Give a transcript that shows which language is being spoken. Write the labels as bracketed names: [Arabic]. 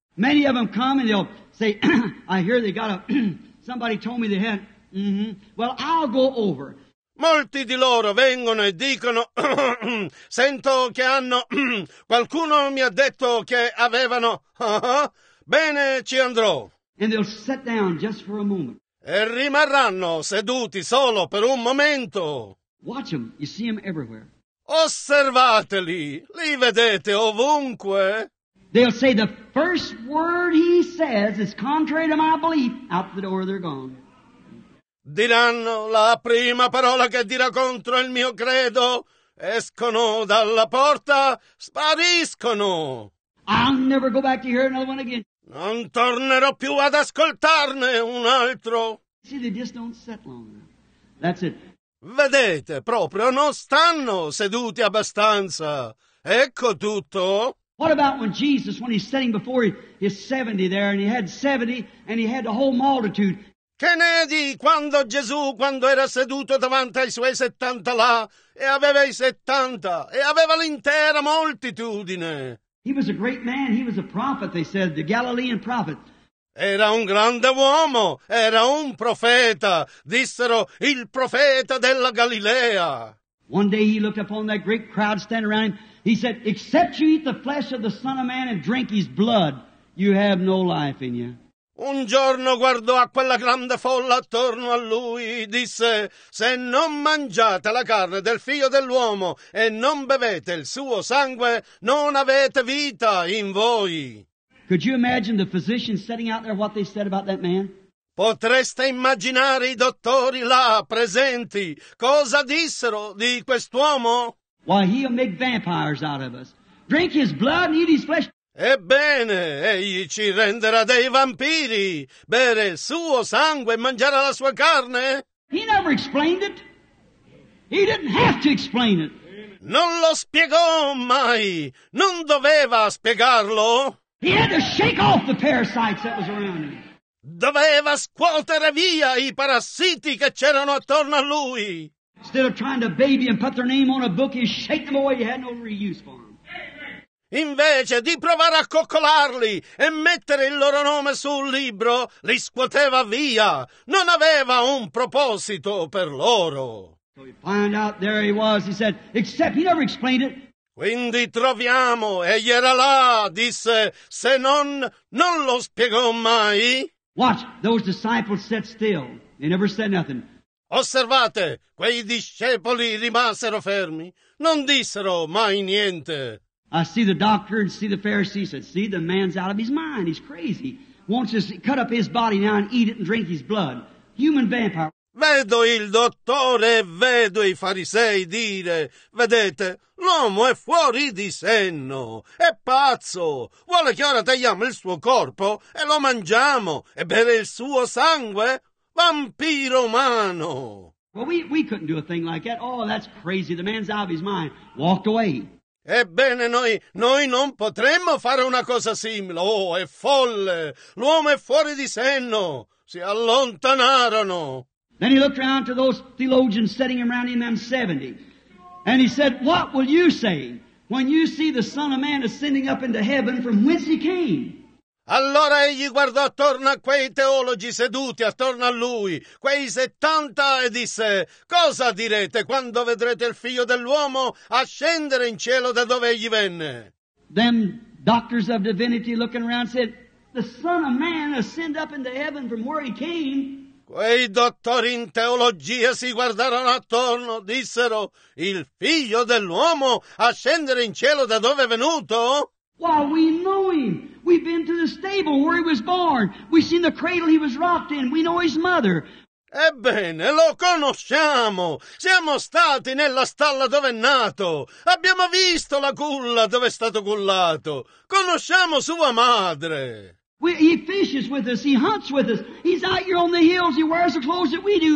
[English] Many of them come and they'll say, I hear they got a, somebody told me they had, well, I'll go over. [Italian] Molti di loro vengono e dicono, sento che hanno, qualcuno mi ha detto che avevano, bene ci andrò. [English] And they'll sit down just for a moment. [Italian] E rimarranno seduti solo per un momento. [English] Watch them. You see them everywhere. [Italian] Osservateli, li vedete ovunque. [English] They'll say the first word he says is contrary to my belief, out the door they're gone. [Italian] Diranno la prima parola che dirà contro il mio credo, escono dalla porta, spariscono. [English] I'll never go back to hear another one again. [Italian] Non tornerò più ad ascoltarne un altro. [English] See, they just don't sit long enough. That's it. [Italian] Vedete, proprio non stanno seduti abbastanza. Ecco tutto. [English] What about when Jesus, when he's sitting before his 70 there, and he had 70, and he had the whole multitude. [Italian] Che ne di quando Gesù, quando era seduto davanti ai suoi 70 là, e aveva i 70, e aveva l'intera moltitudine? [English] He was a great man, he was a prophet, they said, the Galilean prophet. [Italian] Era un grande uomo, era un profeta, dissero il profeta della Galilea. [English] One day he looked upon that great crowd standing around him. He said, except you eat the flesh of the Son of Man and drink his blood, you have no life in you. [Italian] Un giorno guardò a quella grande folla attorno a lui, disse, se non mangiate la carne del figlio dell'uomo e non bevete il suo sangue, non avete vita in voi. [English] Could you imagine the physicians sitting out there what they said about that man? [Italian] Potreste immaginare i dottori là presenti cosa dissero di quest'uomo? [English] Why, he'll make vampires out of us. Drink his blood and eat his flesh. [Italian] Ebbene, egli ci renderà dei vampiri, bere il suo sangue e mangiare la sua carne. [English] He never explained it. He didn't have to explain it. [Italian] Non lo spiegò mai. Non doveva spiegarlo. [English] He had to shake off the parasites that was around him. [Italian] Doveva scuotere via i parassiti che c'erano attorno a lui. [English] Instead of trying to baby and put their name on a book, he shake them away. He had no reuse for them. [Italian] Invece di provare a coccolarli e mettere il loro nome sul libro, li scuoteva via. Non aveva un proposito per loro. [English] So we find out there he was, he said, except he never explained it. [Italian] Quindi troviamo, egli era là, disse, se non, non lo spiegò mai. [English] Watch, those disciples sat still. They never said nothing. [Italian] Osservate, quei discepoli rimasero fermi. Non dissero mai niente. [English] I see the doctor and see the Pharisees and see the man's out of his mind. He's crazy. Wants to cut up his body now and eat it and drink his blood. Human vampire. [Italian] Vedo il dottore e vedo i farisei dire, vedete, l'uomo è fuori di senno, è pazzo. Vuole che ora tagliamo il suo corpo e lo mangiamo e bere il suo sangue? Vampiro umano. [English] Well, we couldn't do a thing like that. Oh, that's crazy. The man's out of his mind. Walked away. [Italian] Ebbene, noi non potremmo fare una cosa simile. Oh, è folle. L'uomo è fuori di senno. Si allontanarono. [English] Then he looked around to those theologians sitting around him, them 70. And he said, what will you say when you see the Son of Man ascending up into heaven from whence he came? [Italian] Allora egli guardò attorno a quei teologi seduti attorno a lui, quei 70, e disse, cosa direte quando vedrete il figlio dell'uomo ascendere in cielo da dove egli venne? [English] Them doctors of divinity looking around said, the Son of Man ascend up into heaven from where he came. [Italian] Quei dottori in teologia si guardarono attorno, dissero, il figlio dell'uomo ascendere in cielo da dove è venuto? [English] Well, we know him. We've been to the stable where he was born. We've seen the cradle he was rocked in. We know his mother. [Italian] Ebbene, lo conosciamo. Siamo stati nella stalla dove è nato. Abbiamo visto la culla dove è stato cullato. Conosciamo sua madre. [English] He fishes with us. He hunts with us. He's out here on the hills. He wears the clothes that we do.